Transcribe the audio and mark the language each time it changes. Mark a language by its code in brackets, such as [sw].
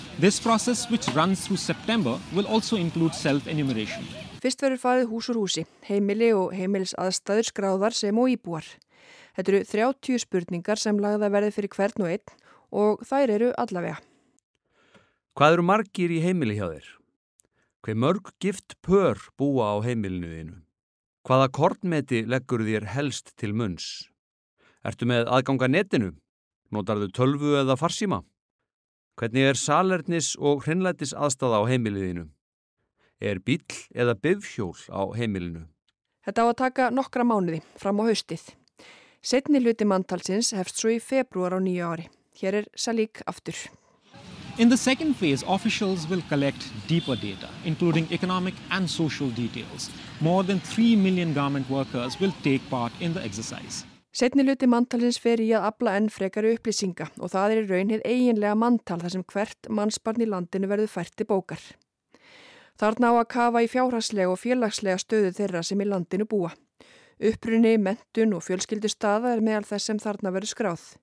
[en] This process, which runs through September, will also include self-enumeration. [is] Fyrst verður farið hús úr húsi, heimili og heimils aðstæður skráðar sem og íbúar. Þetta eru 30 spurningar sem lagða verði fyrir hvern og einn og þær eru allavega. Hvað eru margir í heimili hjá þér? Hve mörg gift pör búa á heimilinu þínu? Hvaða kornmeti leggur þér helst til munns? Ertu með aðganga netinu? Notarðu tölvu eða farsíma? Hvernig salernis og hreinlætis aðstaða á heimili þínu? Bíll eða bifhjól á heimilinu? Þetta á að taka nokkra mánuði fram á haustið. Seinni hluti manntalsins hefst svo í febrúar á 9 ári. Hér Shalik aftur. [en] In the second phase, officials will collect deeper data, including economic and social details. More than 3 million garment workers will take part in the exercise. [is] Seinni hluti manntalsins fer í að afla enn frekari upplýsinga og það í raun hið eiginlega manntal þar sem hvert mannsbarn í landinu verður fært til bókar. Þarna á að kafa í fjárhagslega og félagslega stöðu þeirra sem í landinu búa. Uppruni, menntun og fjölskyldustaða er meðal þess sem þarna verður skráð.